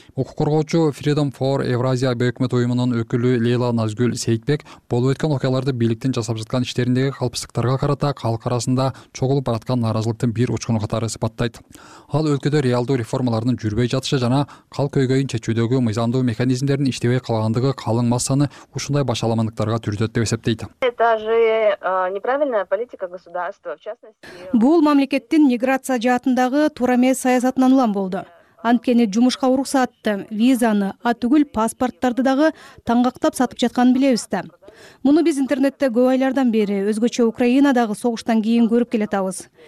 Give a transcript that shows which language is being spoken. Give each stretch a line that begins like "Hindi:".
Kyrgyz: Укук коргоочу Freedom for Eurasia бейөкмөт уюмунун өкүлү Лейла Назгүл Сейитбек болуп өткөн окуяларды бийликтин жасап жаткан иштериндеги калпсыздыктарга карата калк арасында чогулуп бараткан нааразылыктын бир учкуну катары сыпаттайт. Ал өлкөдө реалдуу реформалардын жүрбөй жатышы жана калк өйгөйүн чечүүдөгү мыйзамдуу механизмдердин иштебей калгандыгы калың массаны ушундай башаламандыктарга түрдөт деп эсептейт.
Russian: Это же неправильная политика государства.
Kyrgyz: болушту. Бул мамлекеттин миграция жаатындагы туура эмес саясатынан улам болду. Анткени жумушка уруксатты, визаны, атүгүл паспорттарды дагы таңгактап сатып жатканын билебиз да. Муну биз интернетте көп айлардан бери өзгөчө Украинадагы согуштан кийин көрүп келатабыз.